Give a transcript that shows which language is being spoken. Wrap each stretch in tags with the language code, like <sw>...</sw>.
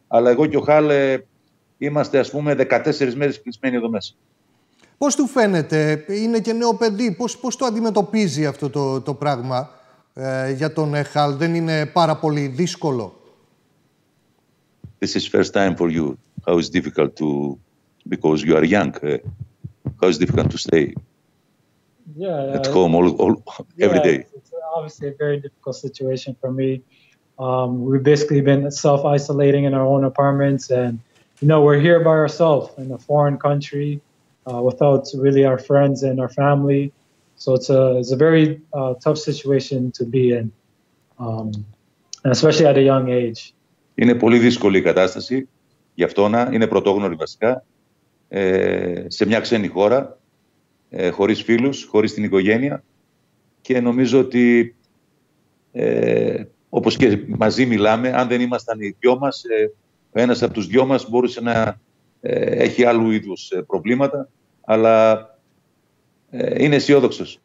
<el>Αλλά εγώ και ο ΧΑΛ είμαστε, ας πούμε, 14 μέρες κλεισμένοι εδώ μέσα. Πώς του φαίνεται, είναι και νέο παιδί, πώς το αντιμετωπίζει αυτό το πράγμα για τον ΧΑΛ? Δεν είναι πάρα πολύ δύσκολο?</el> <en>This is first time for you. How is difficult to, because you are young, how is difficult to stay at home every day? It's obviously a very difficult situation for me. We've basically been self-isolating in our own apartments and, you know, we're here by ourselves in a foreign country without really our friends and our family. So it's a very tough situation to be in, especially at a young age.</en> <el>Είναι πολύ δύσκολη η κατάσταση. Γι' αυτό να είναι πρωτόγνωρη βασικά σε μια ξένη χώρα, χωρίς φίλους, χωρίς την οικογένεια. Και νομίζω ότι όπως και μαζί μιλάμε, αν δεν ήμασταν οι δυο μας, ένας από τους δυο μας μπορούσε να έχει άλλου είδους προβλήματα, αλλά είναι αισιόδοξος.</el>